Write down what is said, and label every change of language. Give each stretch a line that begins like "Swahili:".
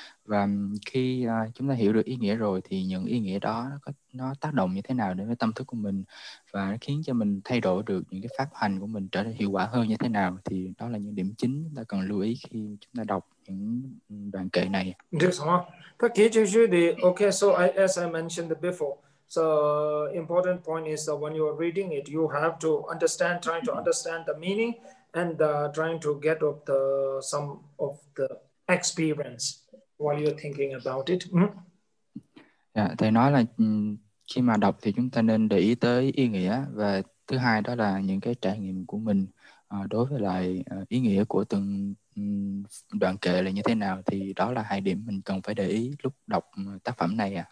Vietnamese: Và khi chúng ta hiểu được ý nghĩa rồi thì những ý nghĩa đó nó tác động như thế nào đến với tâm thức của mình và nó khiến cho mình thay đổi được những cái pháp hành của mình trở nên hiệu quả hơn như thế nào thì đó là những điểm chính chúng ta cần lưu ý khi chúng ta đọc những đoạn kệ này.
English: Okay, so as I mentioned before, so important point is that when you are reading it, you have to understand, trying to understand the meaning and trying to get up the some of the experience while you're thinking about it.
Vietnamese: Thầy nói là khi mà đọc thì chúng ta nên để ý tới ý nghĩa và thứ hai đó là những cái trải nghiệm của mình đối với lại ý nghĩa của từng đoạn kệ là như thế nào thì đó là hai điểm mình cần phải để ý lúc đọc tác phẩm này.